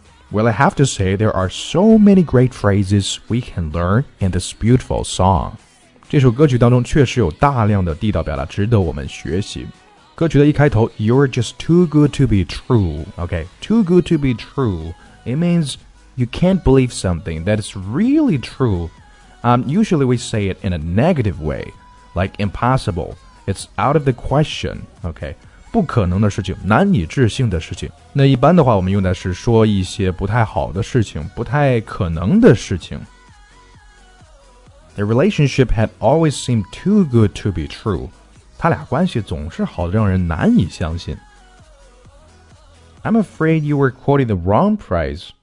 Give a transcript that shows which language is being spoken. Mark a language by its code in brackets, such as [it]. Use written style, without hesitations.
[en] Well, I have to say there are so many great phrases we can learn in this beautiful song. [zh] 这首歌曲当中确实有大量的地道表达值得我们学习。歌曲的一开头 [en] You're just too good to be true. Okay, too good to be true. It means you can't believe something that is really true. Usually we say it in a negative way, like impossible. It's out of the question, okay? [zh] 不可能的事情，难以置信的事情。那一般的话我们用的是说一些不太好的事情，不太可能的事情。 [en] Their relationship had always seemed too good to be true. [zh] 他俩关系总是好得让人难以相信。 [en] I'm afraid you were quoting the wrong price.